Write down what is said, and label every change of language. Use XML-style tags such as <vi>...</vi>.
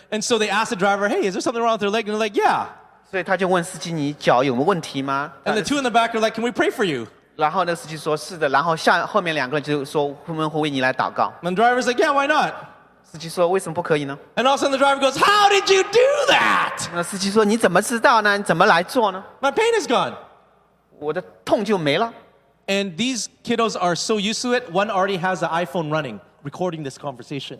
<en>and so they asked the driver, "Hey, is there something wrong with their leg?" And they're like, "Yeah."</en> <zh>所以他就问司机，你脚有没有问题吗？</zh> <en>And the two in the back are like, "Can we pray for you?"</en> <zh>然后那司机说，是的。然后后面两个人就说，我们会为你来祷告。</zh> <en>And the driver's like, "Yeah, why not?"</en> <zh>司机说，为什么不可以呢？</zh> <en>And all of a sudden the driver goes, "How did you do that?"</en> <zh>那司机说，你怎么知道呢？你怎么来做呢？</zh> <en>My pain is gone.</en> <zh>我的痛就没了。</zh> <en>And these kiddos are so used to it, one already has an iPhone running, recording this conversation.</en>